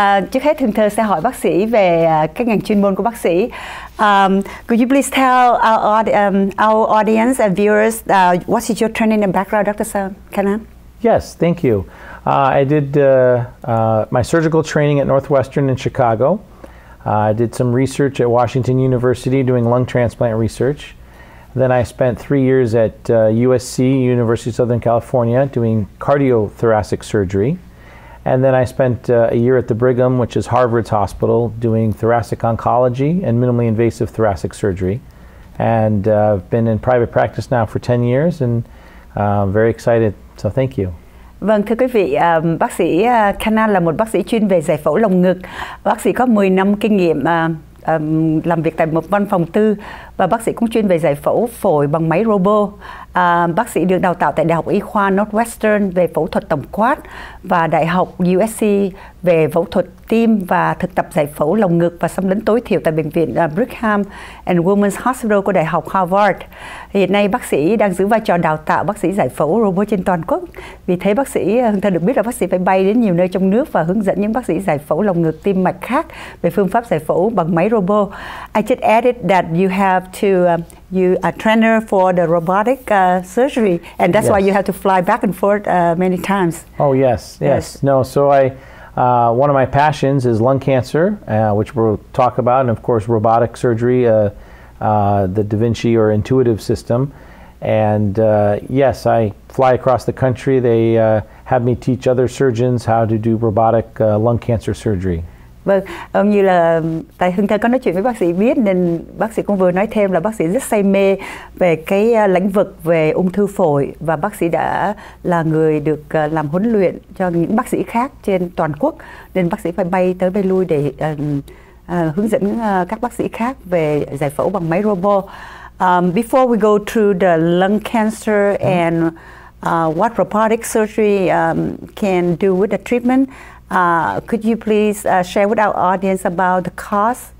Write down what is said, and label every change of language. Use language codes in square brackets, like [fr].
[vi] Trước hết Hương Thơ sẽ hỏi bác sĩ về cái ngành chuyên môn của bác sĩ. [en] Could you please tell our audience and viewers what is your training and background, Dr. Kanan? Yes, thank you. I did my surgical training at Northwestern in Chicago. I did some research at Washington University doing lung transplant research. Then I spent 3 years at USC, University of Southern California, doing cardiothoracic surgery. And then I spent a year at the Brigham, which is Harvard's hospital, doing thoracic oncology and minimally invasive thoracic surgery. And I've been in private practice now for 10 years and I'm very excited, so thank you. [vi] Vâng, thưa quý vị, bác sĩ Kanan là một bác sĩ chuyên về giải phẫu lồng ngực. Bác sĩ có 10 năm kinh nghiệm làm việc tại một văn phòng tư và bác sĩ cũng chuyên về giải phẫu phổi bằng máy robot. Bác sĩ được đào tạo tại Đại học Y khoa Northwestern về phẫu thuật tổng quát và Đại học USC về phẫu thuật tim và thực tập giải phẫu lồng ngực và xâm lấn tối thiểu tại Bệnh viện Brigham and Women's Hospital của Đại học Harvard. Hiện nay bác sĩ đang giữ vai trò đào tạo bác sĩ giải phẫu robot trên toàn quốc. Vì thế bác sĩ Hương Thơ được biết là bác sĩ phải bay đến nhiều nơi trong nước và hướng dẫn những bác sĩ giải phẫu lồng ngực tim mạch khác về phương pháp giải phẫu bằng máy robot. [en] I just added that you have to you are a trainer for the robotic surgery, and that's yes. Why you have to fly back and forth many times. Oh yes, yes. No, so I one of my passions is lung cancer, which we'll talk about, and of course robotic surgery, the Da Vinci or Intuitive system. And yes, I fly across the country. They have me teach other surgeons how to do robotic lung cancer surgery. [vi] Vâng, như là tại Hương Thơ có nói chuyện với bác sĩ biết nên bác sĩ cũng vừa nói thêm là bác sĩ rất say mê về cái lĩnh vực về ung thư phổi và bác sĩ đã là người được làm huấn luyện cho những bác sĩ khác trên toàn quốc nên bác sĩ phải bay tới bay lui để hướng dẫn các bác sĩ khác về giải phẫu bằng máy robot. [en] Before we go through the lung cancer and what robotic surgery can do with the treatment, could you please share with our audience about the cause?